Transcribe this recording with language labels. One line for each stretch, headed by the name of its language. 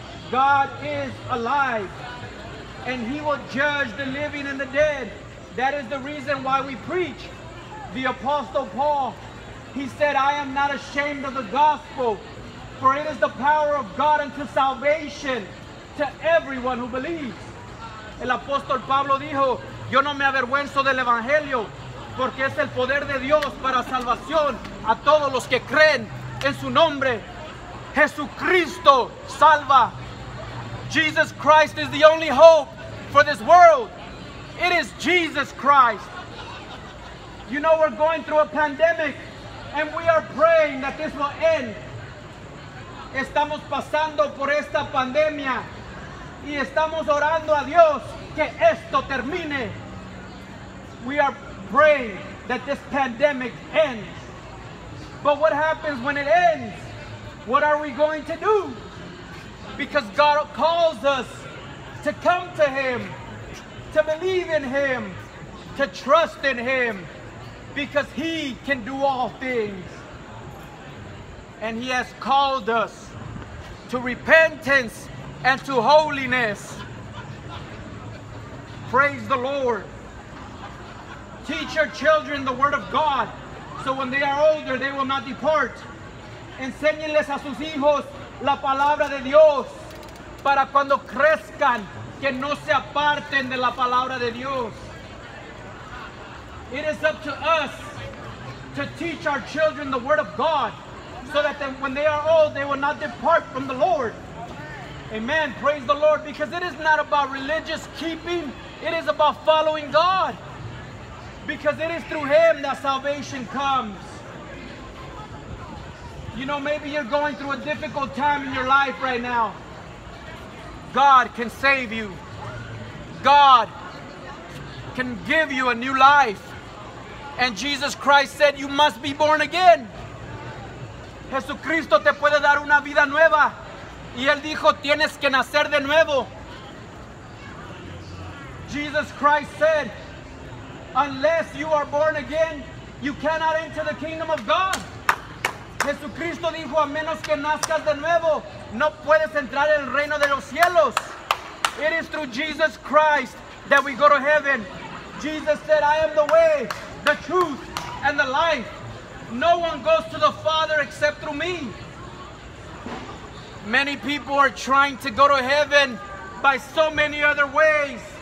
English: God is alive. And he will judge the living and the dead. That is the reason why we preach. The Apostle Paul, he said, I am not ashamed of the gospel, for it is the power of God unto salvation to everyone who believes.
Spanish: El Apostle Pablo dijo, yo no me avergüenzo del evangelio, porque es el poder de Dios para salvación a todos los que creen en su nombre. Jesucristo salva.
English: Jesus Christ is the only hope for this world. It is Jesus Christ. You know, we're going through a pandemic and we are praying that this will end.
Spanish: Estamos pasando por esta pandemia y estamos orando a Dios que esto termine.
English: We are praying that this pandemic ends. But what happens when it ends? What are we going to do? Because God calls us to come to him, to believe in him, to trust in him, because he can do all things. And he has called us to repentance and to holiness. Praise the Lord. Teach your children the word of God, so when they are older, they will not depart.
Spanish: Enséñenles a sus hijos la palabra de Dios, para cuando crezcan, que no se aparten de la palabra de Dios.
English: It is up to us to teach our children the word of God so that then when they are old, they will not depart from the Lord. Amen. Praise the Lord. Because it is not about religious keeping. It is about following God. Because it is through him that salvation comes. You know, maybe you're going through a difficult time in your life right now. God can save you. God can give you a new life. And Jesus Christ said you must be born again.
Spanish: Jesucristo te puede dar una vida nueva. Y él dijo, tienes que nacer de nuevo.
English: Jesus Christ said, unless you are born again, you cannot enter the kingdom of God.
Spanish: Jesucristo dijo, a menos que nazcas de nuevo, no puedes entrar en el reino de los cielos.
English: It is through Jesus Christ that we go to heaven. Jesus said, I am the way, the truth, and the life. No one goes to the Father except through me. Many people are trying to go to heaven by so many other ways.